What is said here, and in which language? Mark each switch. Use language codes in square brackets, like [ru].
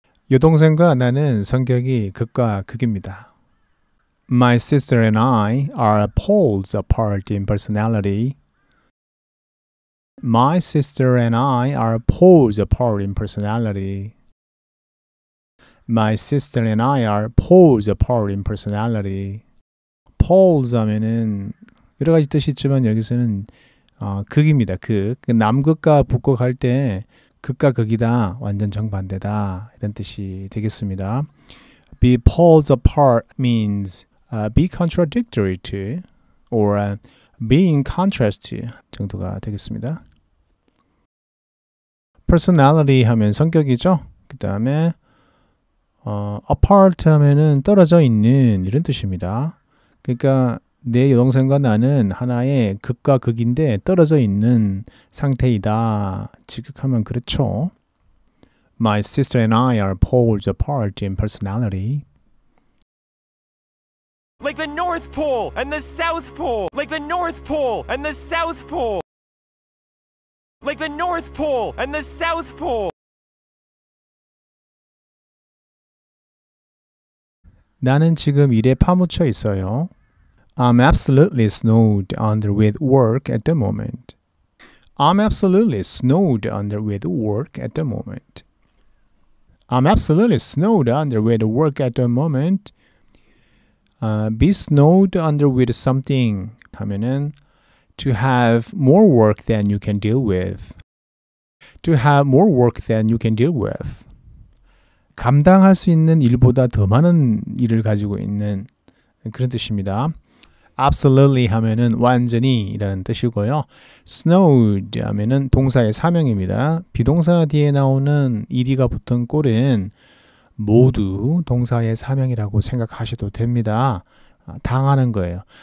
[ko] 여동생과 나는 성격이 극과 극입니다. [en] My sister and I are poles apart in personality. My sister and I are poles apart in personality. My sister and I are poles apart in personality. [ko] Poles 하면은 여러 가지 뜻이 있지만 여기서는 극입니다. 극. 남극과 북극 할 때 극과 극이다. 완전 정반대다. 이런 뜻이 되겠습니다. [en] Be poles apart means be contradictory to or be in contrast [ko] 정도가 되겠습니다. Personality 하면 성격이죠. 그 다음에 apart 하면은 떨어져 있는 이런 뜻입니다. 그러니까 내 여동생과 나는 하나의 극과 극인데 떨어져 있는 상태이다. 직역하면 그렇죠. [en] My sister and I are poles apart in personality. Like the North Pole and the South Pole. Like the North Pole and the South Pole. Like the North Pole and the South Pole. [ko] 나는 지금 일에 파묻혀 있어요. [en] I'm absolutely snowed under with work at the moment. I'm absolutely snowed under with work at the moment. I'm absolutely snowed under with work at the moment. Be snowed under with something 하면은 to have more work than you can deal with. To have more work than you can deal with. [ko] 감당할 수 있는 일보다 더 많은 일을 가지고 있는 그런 뜻입니다. absolutely 하면은 완전히 이라는 뜻이고요. snowed 하면은 동사의 사명입니다. 비동사 뒤에 나오는 ed가 붙은 꼴은 모두 동사의 사명이라고 생각하셔도 됩니다. 당하는 거예요.